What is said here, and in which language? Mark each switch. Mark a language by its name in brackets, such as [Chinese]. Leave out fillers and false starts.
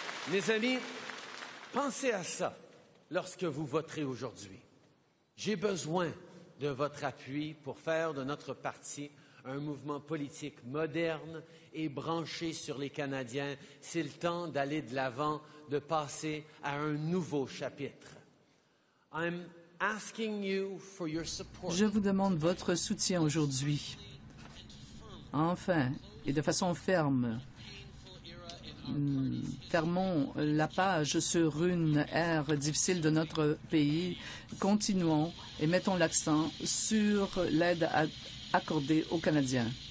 [French] Mes amis, pensez à ça lorsque vous voterez aujourd'hui. J'ai besoin de votre appui pour faire de notre parti un mouvement politique moderne et branché sur les Canadiens. C'est le temps d'aller de l'avant, de passer à un nouveau chapitre. [English] I'm asking you for your support. [French] Je vous demande votre soutien aujourd'hui. Enfin, et de façon ferme. Fermons la page sur une ère difficile de notre pays. Continuons et mettons l'accent sur l'aide accordée aux Canadiens.